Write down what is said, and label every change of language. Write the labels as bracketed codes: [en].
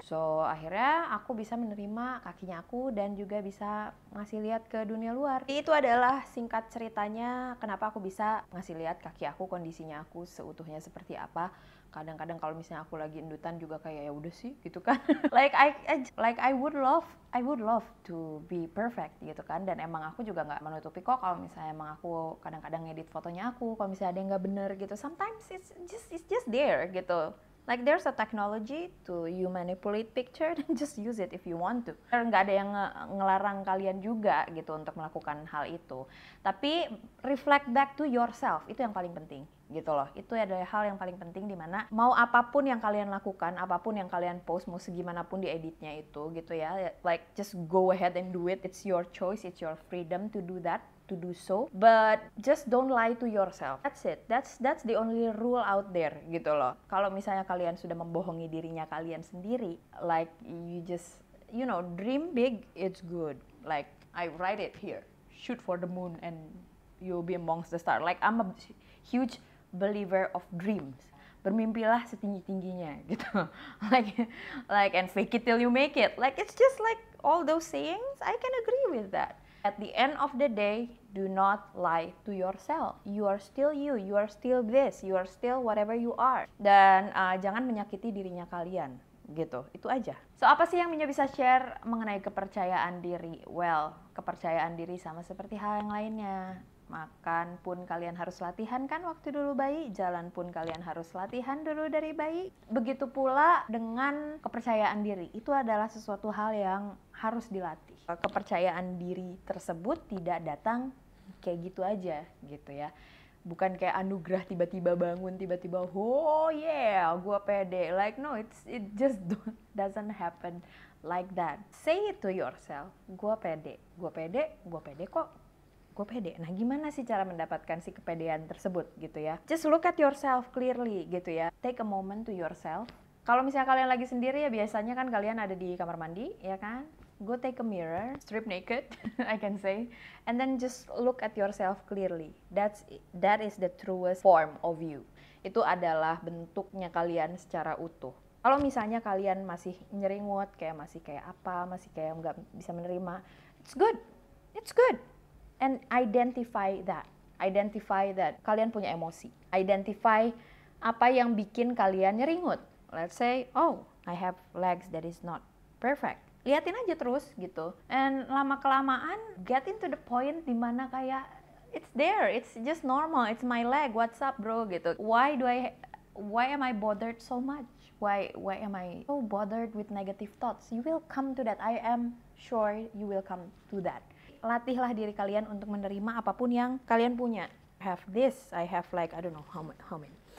[id] So akhirnya aku bisa menerima kakinya aku dan juga bisa ngasih lihat ke dunia luar. Itu adalah singkat ceritanya kenapa aku bisa ngasih lihat kaki aku, kondisinya aku seutuhnya seperti apa. Kadang-kadang kalau misalnya aku lagi endutan juga kayak ya udah sih gitu kan. [en] like I would love to be perfect [id] gitu kan. Dan emang aku juga nggak menutupi kok kalau misalnya emang aku kadang-kadang ngedit fotonya aku kalau misalnya ada yang nggak bener gitu. [en] Sometimes it's just there [id] gitu. [en] Like there's a technology to you manipulate picture and just use it if you want to. [id] Nggak ada yang ngelarang kalian juga gitu untuk melakukan hal itu. Tapi [en] reflect back to yourself, [id] itu yang paling penting gitu loh. Itu adalah hal yang paling penting, di mana mau apapun yang kalian lakukan, apapun yang kalian post, mau segimanapun dieditnya itu gitu ya. [en] Like just go ahead and do it. It's your choice, it's your freedom to do that, to do so, but just don't lie to yourself. That's it. That's the only rule out there, [id] gitu loh. Kalau misalnya kalian sudah membohongi dirinya kalian sendiri, [en] like you just, you know, dream big, it's good. Like I write it here, shoot for the moon and you'll be amongst the stars. Like I'm a huge believer of dreams. [id] Bermimpilah setinggi-tingginya, gitu. [en] like and fake it till you make it. Like it's just like all those sayings. I can agree with that. At the end of the day, do not lie to yourself. You are still you are still this, you are still whatever you are. [id] Dan jangan menyakiti dirinya kalian, gitu. Itu aja. So, apa sih yang Minya bisa share mengenai kepercayaan diri? Well, kepercayaan diri sama seperti hal yang lainnya. Makan pun kalian harus latihan kan waktu dulu bayi, jalan pun kalian harus latihan dulu dari bayi. Begitu pula dengan kepercayaan diri, itu adalah sesuatu hal yang harus dilatih. Kepercayaan diri tersebut tidak datang kayak gitu aja gitu ya. Bukan kayak anugerah tiba-tiba bangun, tiba-tiba [en] oh yeah, [id] gua pede. [en] Like no, it just doesn't happen like that. Say it to yourself, [id] gua pede kok. Gue pede. Nah, gimana sih cara mendapatkan si kepedean tersebut gitu ya? [en] Just look at yourself clearly [id] gitu ya. [en] Take a moment to yourself. [id] Kalau misalnya kalian lagi sendiri ya biasanya kan kalian ada di kamar mandi, ya kan? [en] Go take a mirror, strip naked, I can say, and then just look at yourself clearly. That is the truest form of you. [id] Itu adalah bentuknya kalian secara utuh. Kalau misalnya kalian masih nyeringut, kayak masih kayak apa, masih kayak enggak bisa menerima, [en] It's good. And identify that [id] kalian punya emosi, identify apa yang bikin kalian nyeringut. [en] Let's say, oh, I have legs that is not perfect. [id] Liatin aja terus gitu, [en] and [id] lama kelamaan [en] get into the point [id] dimana kayak [en] it's there, it's just normal, it's my leg, what's up bro gitu. Why am I bothered so much? Why am I so bothered with negative thoughts? You will come to that. I am sure you will come to that. [id] Latihlah diri kalian untuk menerima apapun yang kalian punya. [en] Have this, I have like, I don't know how many.